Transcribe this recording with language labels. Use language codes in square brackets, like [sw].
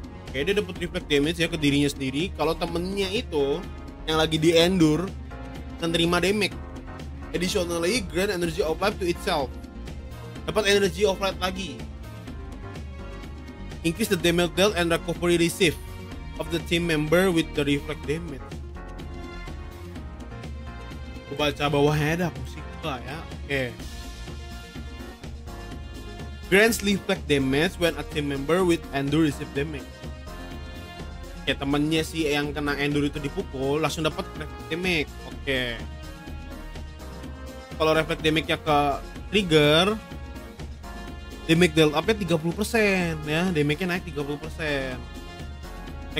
[id] Oke, okay, dia dapat reflect damage ya ke dirinya sendiri kalau temennya itu yang lagi di endure menerima damage. [en] Additionally, grant energy of life to itself. [id] Dapat energy of life lagi. [en] Increase the damage dealt and recovery received of the team member with the reflect damage. [id] Gua baca bawahnya ada musika ya. Oke. Okay. [en] Grants reflect damage when a team member with endure receive damage. [id] Ya temennya si yang kena endure itu dipukul langsung dapat reflect damage. Oke. Okay. Kalau reflect damage-nya ke trigger, damage dealt up-nya 30% ya, damage-nya naik 30%.